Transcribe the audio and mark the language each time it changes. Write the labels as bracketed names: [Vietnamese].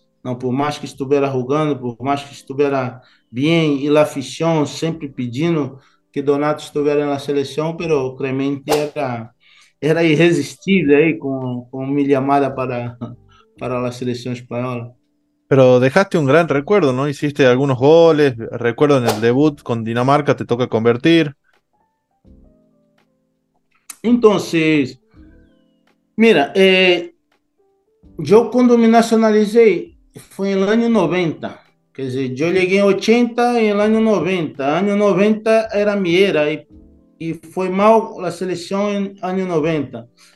[Portuguese] Não, por mais que estivesse jogando, por mais que estivesse bem, e a afición sempre pedindo que Donato estivesse na seleção, mas o Clemente era irresistível aí com me chamar para a seleção espanhola. [Spanish] Pero dejaste un gran recuerdo, ¿no? Hiciste algunos goles. Recuerdo en el debut con Dinamarca, te toca convertir. [Portuguese] Então, mira, eu quando me nacionalizei foi no ano 90, quer dizer, eu cheguei em 80 e no ano 90. Ano 90 era Miera e foi mal a seleção em ano 90.